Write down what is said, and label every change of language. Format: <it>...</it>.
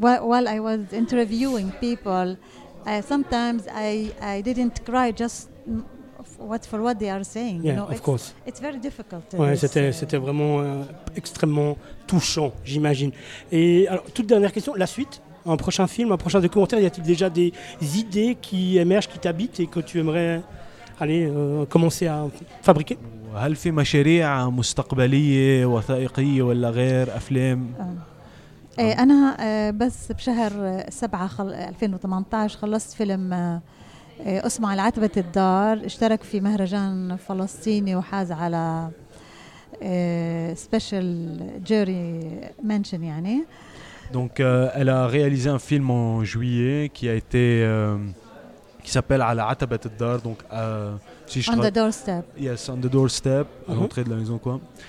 <en>while I was interviewing people sometimes I didn't cry just for what they are saying. Yeah, you know, of course. It's very difficult.</en> <fr>C'était vraiment extrêmement touchant, j'imagine. Et alors, toute dernière question, la suite, un prochain film, un prochain documentaire, y a-t-il déjà des idées qui émergent, qui t'habitent et que tu aimerais aller commencer à fabriquer ?</fr> <ar>هل في مشاريع مستقبلية وثائقية ولا غير أفلام؟ أنا بس بشهر 7/2018 خلصت فيلم. أسمع العتبة الدار اشترك في مهرجان فلسطيني وحاز على</ar> <en>special jury mention</en> <ar>يعني.</ar> <fr>Donc elle a réalisé un film en juillet qui a été qui s'appelle على عتبة الدار donc</fr> <en>si on the doorstep. Yes, on the doorstep,</en> <fr>à l'entrée de la maison quoi.</fr>